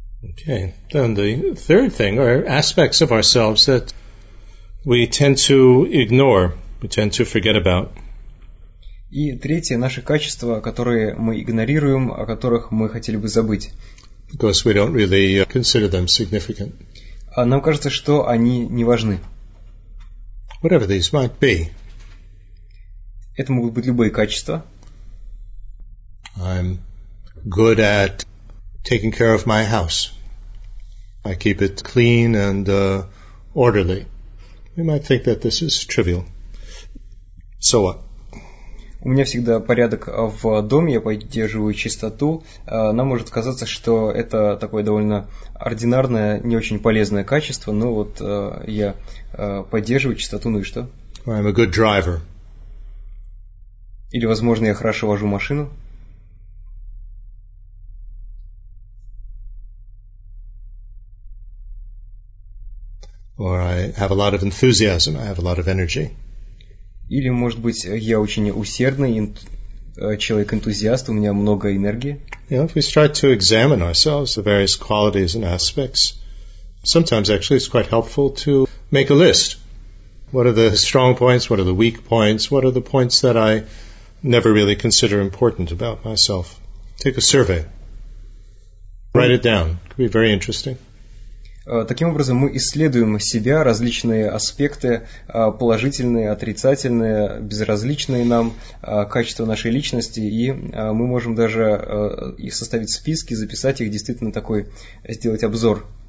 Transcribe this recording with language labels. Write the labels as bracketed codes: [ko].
[en] Okay, then the third thing are aspects of ourselves that we tend to ignore, we tend to forget about. [ru] И третье, наши качества, которые мы игнорируем, о которых мы хотели бы забыть. [en] Because we don't really consider them significant. [ru] А нам кажется, что они не важны. [en] Whatever these might be. [ru] Это могут быть любые качества. [en] I'm good at taking care of my house. I keep it clean and orderly. We might think that this is trivial. So what? [ru] У меня всегда порядок в доме, я поддерживаю чистоту. Нам может казаться, что это такое довольно ординарное, не очень полезное качество, но вот я поддерживаю чистоту, ну и что? [en] I'm a good driver. [ru] Или, возможно, я хорошо вожу машину. [en] Or I have a lot of enthusiasm, I have a lot of energy. [ru] Или, может быть, я очень усердный человек-энтузиаст, у меня много энергии. [en] You know, if we start to examine ourselves, the various qualities and aspects, sometimes actually it's quite helpful to make a list. What are the strong points, what are the weak points, what are the points that I never really consider important about myself? Take a survey. Write it down. It could be very interesting. [ru] Таким образом, мы исследуем себя, различные аспекты, положительные, отрицательные, безразличные нам качества нашей личности, и мы можем даже их составить списки, записать их, действительно такой, сделать обзор.